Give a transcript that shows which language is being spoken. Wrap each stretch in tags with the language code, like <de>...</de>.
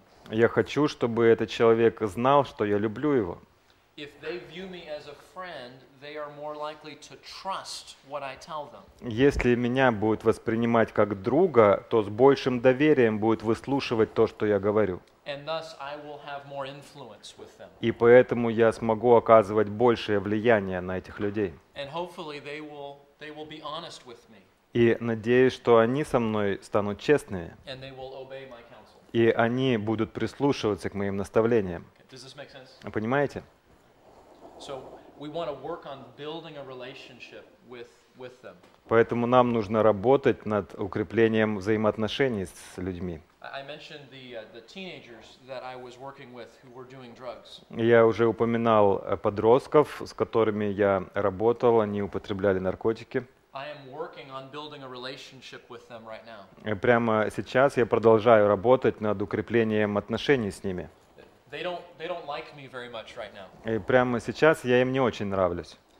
<ru>Я хочу, чтобы этот человек знал, что я люблю его. Если меня будут воспринимать как друга, то с большим доверием будут выслушивать то, что я говорю.</ru> <en>And thus I will have more influence with them.</en> <ru>И поэтому я смогу оказывать большее влияние на этих людей.</ru> <en>And hopefully they will be honest with me.</en> <ru>И надеюсь, что они со мной станут честными.</ru> <en>And they will obey my counsel.</en> <ru>И они будут прислушиваться к моим наставлениям.</ru> <en>Does this make sense?</en> <ru>Понимаете?</ru> <en>So we want to work on building a relationship with them.</en> <ru>Поэтому нам нужно работать над укреплением взаимоотношений с людьми.</ru> <en>I mentioned the teenagers that I was working with who were doing drugs.</en> <ru>Я уже упоминал подростков, с которыми я работал, они употребляли наркотики.</ru> <en>I am working on building a relationship with them right now.</en> <ru>Прямо сейчас я продолжаю работать над укреплением отношений с ними.</ru> <en>They don't like me very much right now.</en> <ru>И прямо сейчас я им не очень нравлюсь.</ru>